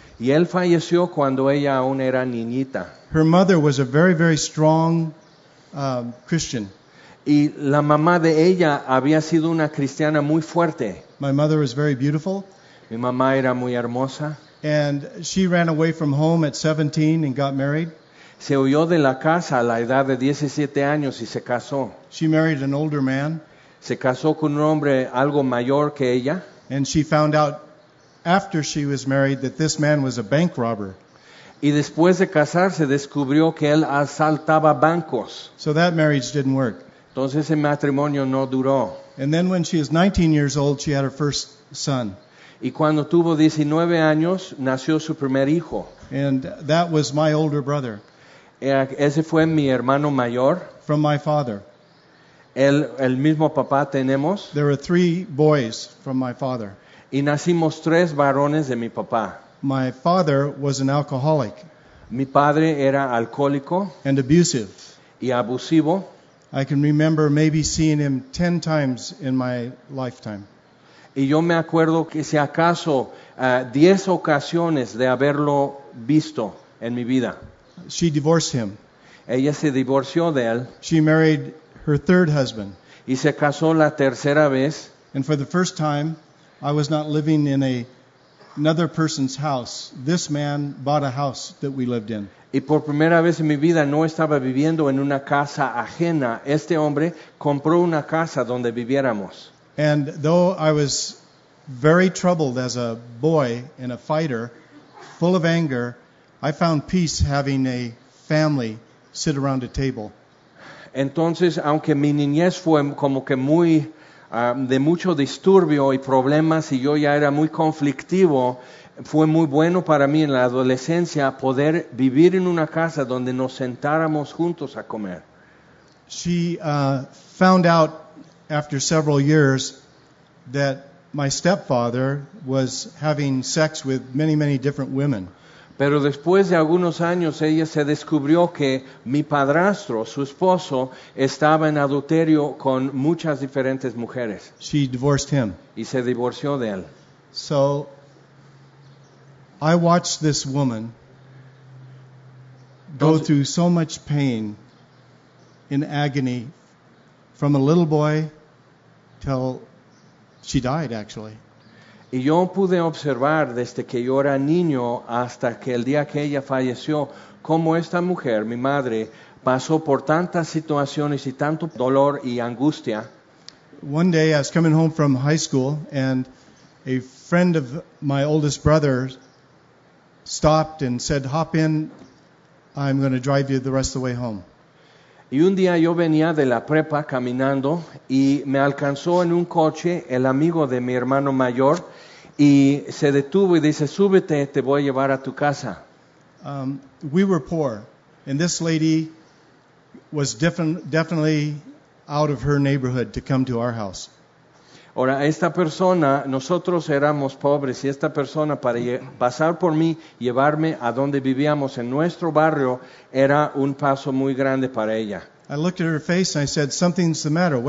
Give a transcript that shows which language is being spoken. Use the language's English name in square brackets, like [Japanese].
[Spanish] Y él falleció cuando ella aún era niñita. [English] Her mother was a very, very strong Christian. [Spanish] Y la mamá de ella había sido una cristiana muy fuerte. [English] My mother was very beautiful. [Spanish] Mi mamá era muy hermosa. [English] And she ran away from home at 17 and got married. [Spanish] Se huyó de la casa a la edad de 17 años y se casó. [English] She married an older man. [Spanish] Se casó con un hombre algo mayor que ella. [English] And she found out after she was married that this man was a bank robber. [Spanish] Y después de casarse descubrió que él asaltaba bancos. [English] So that marriage didn't work. [Spanish] Entonces ese matrimonio no duró. [English] And then when she was 19 years old, she had her first son. [Spanish] Y cuando tuvo 19 años, nació su primer hijo. [English] And that was my older brother. [Spanish] Ese fue mi hermano mayor. [English] From my father. [Spanish] El mismo papá tenemos. [English] There were three boys from my father. [Spanish] Y nacimos tres varones de mi papá. [English] My father was an alcoholic. [Spanish] Mi padre era alcohólico. [English] And abusive. [Spanish] Y abusivo. [English] I can remember maybe seeing him 10 times in my lifetime. [Spanish] Y yo me acuerdo que si acaso 10 ocasiones de haberlo visto en mi vida. [English] She divorced him. [Spanish] Ella se divorció de él. [English] She married her third husband. [Spanish] Y se casó la tercera vez. [English] And for the first time, I was not living in another person's house. This man bought a house that we lived in. [Spanish] Y por primera vez en mi vida no estaba viviendo en una casa ajena. Este hombre compró una casa donde viviéramos. [English] And though I was very troubled as a boy and a fighter, full of anger, I found peace having a family sit around a table. [Spanish] Entonces, aunque mi niñez fue como que muy de mucho disturbio y problemas y yo ya era muy conflictivo, fue muy bueno para mí en la adolescencia poder vivir en una casa donde nos sentáramos juntos a comer. [English] She found out after several years that my stepfather was having sex with many, many different women. [Spanish] Pero después de algunos años, ella se descubrió que mi padrastro, su esposo, estaba en adulterio con muchas diferentes mujeres. [English] She divorced him. [Spanish] Y se divorció de él. [English] So, I watched this woman go through so much pain in agony from a little boy till she died, actually. [Spanish] Y yo pude observar desde que yo era niño hasta que el día que ella falleció, cómo esta mujer, mi madre, pasó por tantas situaciones y tanto dolor y angustia. [English] One day I was coming home from high school and a friend of my oldest brother stopped and said, "Hop in, I'm going to drive you the rest of the way home." [Spanish] Y un día yo venía de la prepa caminando y me alcanzó en un coche el amigo de mi hermano mayor y se detuvo y dice, "Súbete, te voy a llevar a tu casa." [English] We were poor and this lady was definitely out of her neighborhood to come to our house. [Spanish] Ahora, esta persona, nosotros éramos pobres y esta persona para pasar por mí, llevarme a donde vivíamos en nuestro barrio, era un paso muy grande para ella. [English] I looked at her face and I said, "Something's the matter.